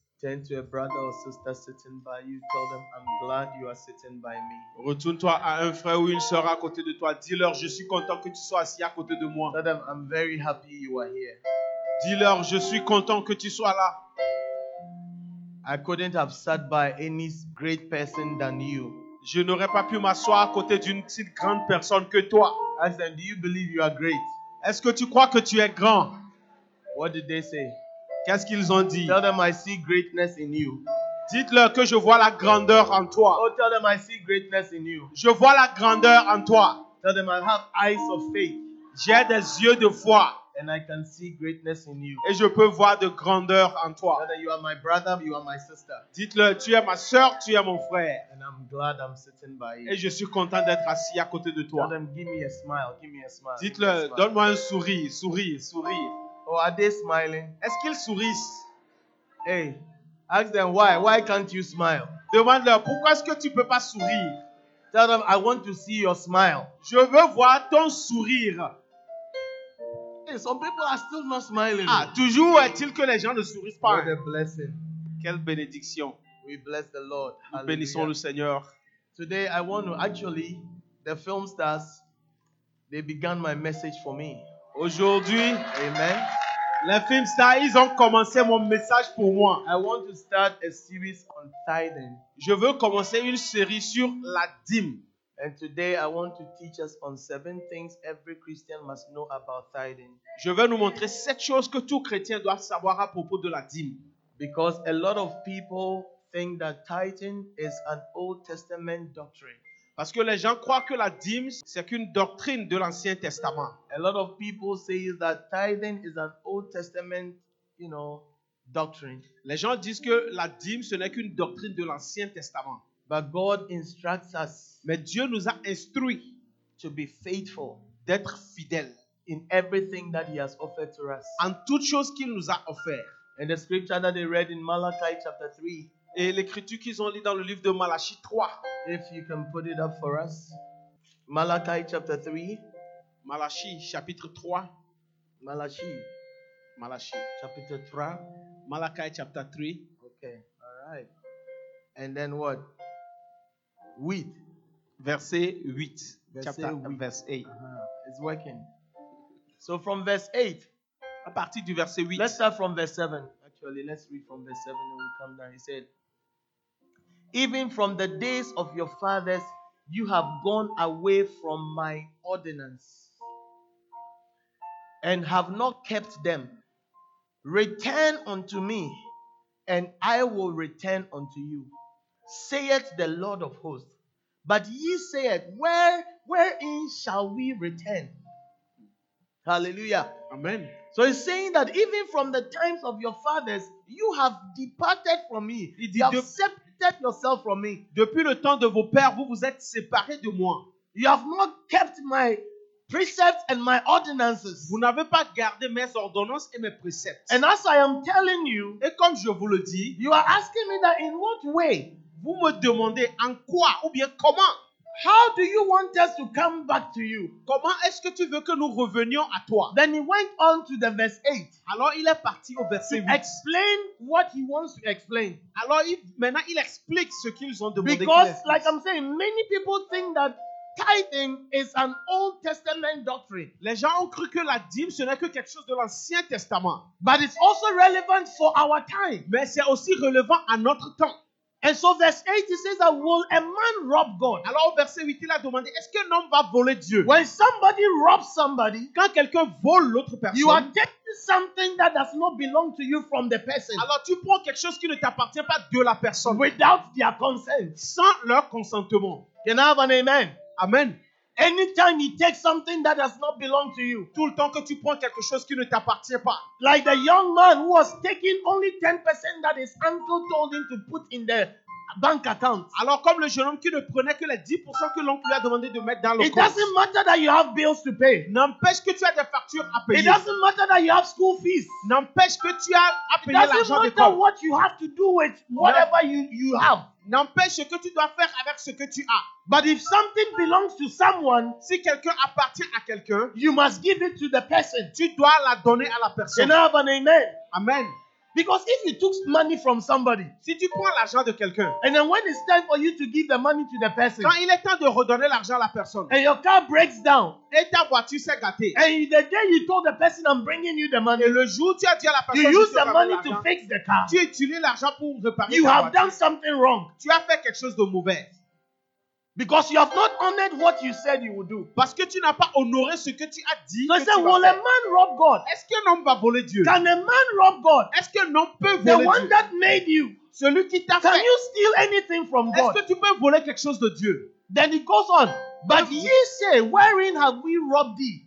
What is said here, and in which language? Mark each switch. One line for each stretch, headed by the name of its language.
English: Turn to a brother or sister sitting by you. Tell them, I'm glad you are sitting by me.
French: Retourne-toi à un frère ou une sœur à côté de toi. Dis-leur, je suis content que tu sois assis à côté de moi.
English: Tell them, I'm very happy you are here.
French: Dis-leur, je suis content que tu sois là.
English: I couldn't have sat by any great person than you.
French: Je n'aurais pas pu m'asseoir à côté d'une si grande personne que toi.
English: Ask them, do you believe you are great?
French: Est-ce que tu crois que tu es grand?
English: What did they say?
French: Qu'est-ce qu'ils ont dit?
English: Tell them I see greatness in you.
French: Dites-leur que je vois la grandeur en toi.
English: Oh, tell them I see greatness in you.
French: Je vois la grandeur en toi.
English: Tell them I have eyes of faith.
French: J'ai des yeux de foi.
English: And I can see greatness in you.
French: Et je peux voir de grandeur en toi.
English: Tell them you are my brother, you are my sister.
French: Dites-leur, tu es ma sœur, tu es mon frère.
English: And I'm glad I'm sitting by you.
French: Et je suis content d'être assis à côté de toi.
English: Tell them give me a smile, give me a smile.
French: Dites-leur, donne-moi un sourire, sourire, sourire.
English: Oh, are they smiling?
French: Est-ce qu'ils sourient?
English: Hey, ask them why. Why can't you smile?
French: Demande-leur, pourquoi est-ce que tu ne peux pas sourire?
English: Tell them, I want to see your smile.
French: Je veux voir ton sourire.
English: Hey, some people are still not smiling.
French: Ah, toujours est-il que les gens ne sourient pas.
English: What a blessing.
French: Quelle bénédiction.
English: We bless the Lord.
French: Nous bénissons le Seigneur.
English: Today, I want to actually, the film stars, they began my message for me.
French: Aujourd'hui, amen. Les
English: film stars,
French: ils ont commencé mon message pour moi.
English: I want to start a series on tithing.
French: Je veux commencer une série sur la dîme.
English: And today I want to teach us on seven things every Christian must know about tithing.
French: Je vais nous montrer sept choses que tout chrétien doit savoir à propos de la dîme.
English: Because a lot of people think that tithing is an Old Testament doctrine.
French: Parce que les gens croient que la dîme, c'est qu'une doctrine de l'Ancien Testament.
English: A lot of people say that tithing is an Old Testament, you know, doctrine.
French: Les gens disent que la dîme, ce n'est qu'une doctrine de l'Ancien Testament.
English: But God instructs us.
French: Mais Dieu nous a instruits.
English: To be faithful.
French: D'être fidèle.
English: In everything that he has offered to us.
French: En toutes choses qu'il nous a offert.
English: And the scripture that they read in Malachi chapter 3.
French: Et l'écriture qu'ils ont lu dans le livre de Malachie 3.
English: If you can put it up for us. Malachi chapter 3.
French: Malachi chapitre 3.
English: Malachi chapter 3. Malachi chapter 3. Okay. All right. And then what? 8.
French: Verset 8.
English: Verse 8. It's working. So from verse 8.
French: À partir du verset 8.
English: Let's start from verse 7. Actually, let's read from verse 7 and we'll come down. He said, even from the days of your fathers, you have gone away from my ordinance and have not kept them. Return unto me, and I will return unto you, saith the Lord of hosts. But ye said, wherein shall we return? Hallelujah. Amen. So he's saying that even from the times of your fathers, you have departed from me. You have separated yourself from me.
French: Depuis le temps de vos pères, vous vous êtes séparés de moi.
English: You have not kept my precepts and my ordinances.
French: Vous n'avez pas gardé mes ordonnances et mes préceptes.
English: And as I am telling you,
French: et comme je vous le dis,
English: you are asking me that in what way?
French: Vous me demandez en quoi ou bien comment?
English: How do you want us to come back to you?
French: Comment est-ce que tu veux que nous revenions à toi?
English: Then he went on to the verse 8.
French: Alors il est parti au verset 8.
English: Explain what he wants to explain.
French: Alors maintenant il explique ce qu'ils ont demandé.
English: Because like I'm saying, many people think that tithing is an Old Testament doctrine.
French: Les gens ont cru que la dîme ce n'est que quelque chose de l'Ancien Testament.
English: But it's also relevant for our time.
French: Mais c'est aussi relevant à notre temps.
English: And so verse 8, he says that will a man rob God?
French: Alors verset 8, il a demandé, est-ce qu'un homme va voler Dieu?
English: When somebody robs somebody,
French: quand quelqu'un vole l'autre personne,
English: you are taking something that does not belong to you from the person.
French: Alors tu prends quelque chose qui ne t'appartient pas de la personne.
English: Without their consent.
French: Sans leur consentement.
English: Can I have an amen? Amen. Anytime you take something that does not belong to you,
French: tout le temps que tu prends quelque chose qui ne t'appartient pas,
English: like the young man who was taking only 10% that his uncle told him to put in the bank account.
French: Alors comme le jeune homme qui ne prenait que les 10% que l'oncle lui a demandé de mettre dans le compte.
English: It doesn't matter that you have bills to pay.
French: N'empêche que tu as des factures à payer.
English: It doesn't matter that you have school fees.
French: N'empêche que tu as à payer l'argent d'école.
English: It doesn't matter what you have to do with whatever you have.
French: N'empêche que tu dois faire avec ce que tu as.
English: But if something belongs to someone,
French: si quelqu'un appartient à quelqu'un,
English: you must give it to the person.
French: Tu dois la donner à la personne.
English: Can I have an amen? Amen. Because if you took money from somebody,
French: si tu prends l'argent de quelqu'un,
English: and then when it's time for you to give the money to the person,
French: quand il est temps de redonner l'argent à la personne,
English: and your car breaks down,
French: et ta voiture s'est gâtée,
English: and the day you told the person I'm bringing you the money,
French: et le jour tu as dit à la personne,
English: you use the money to fix the car,
French: tu utilises l'argent pour réparer,
English: you have done something wrong,
French: tu as fait quelque chose de mauvais,
English: because you have not honored what you said you would do,
French: parce que tu n'as pas honoré ce que tu as dit.
English: So he said, will a man rob God?
French: Est-ce qu'un homme va voler Dieu?
English: Can a man rob God?
French: Est-ce qu'un homme peut voler
English: the
French: Dieu?
English: One that made you,
French: celui qui t'a
English: can
French: fait,
English: can you steal anything from
French: est-ce
English: God?
French: Est-ce que tu peux voler quelque chose de Dieu?
English: Then he goes on, but ye say, wherein have we robbed thee?